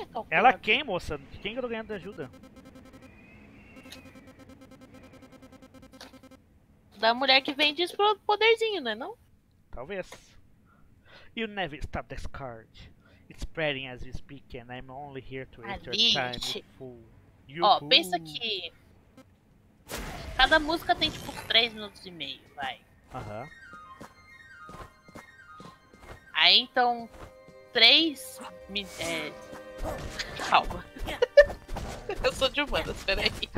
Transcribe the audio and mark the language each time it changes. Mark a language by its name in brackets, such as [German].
[Portuguese] Ela quem, moça? De quem que eu tô ganhando ajuda? Da mulher que vende isso pro poderzinho, né, não? Talvez. [English] You never stop this card. It's spreading as we speak and I'm only here to enter time. [Portuguese] Ó, pensa que... Cada música tem tipo 3 minutos e meio, vai. Aham. Aí então... 3... É... Calma. Eu sou de humanas, peraí.